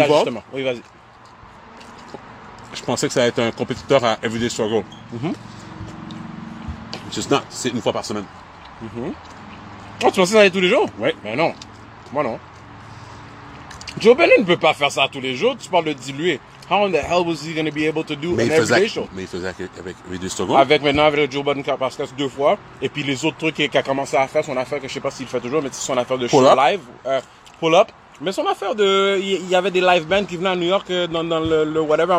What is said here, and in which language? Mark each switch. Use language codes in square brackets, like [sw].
[fr] de justement. Oui, vas-y. Je pensais que ça allait être un compétiteur à Everyday Struggle. Mm-hmm. [en] Just not. [fr] C'est une fois par semaine. Mm-hmm. Oh, tu pensais ça allait tous les jours? Oui. Mais non. Moi, non. Joe Biden ne peut pas faire ça tous les jours. Tu parles de diluer. [en] How in the hell was he going to be able to do an everyday show? [fr] Mais il faisait avec Everyday Struggle. Avec maintenant, avec le Joe Biden podcast deux fois. Et puis les autres trucs qu'il a commencé à faire, son affaire, que je ne sais pas s'il fait toujours, mais c'est son affaire de show live. [en] Pull up. [fr] Mais son affaire de... Il y avait des live bands qui venaient à New York dans le whatever.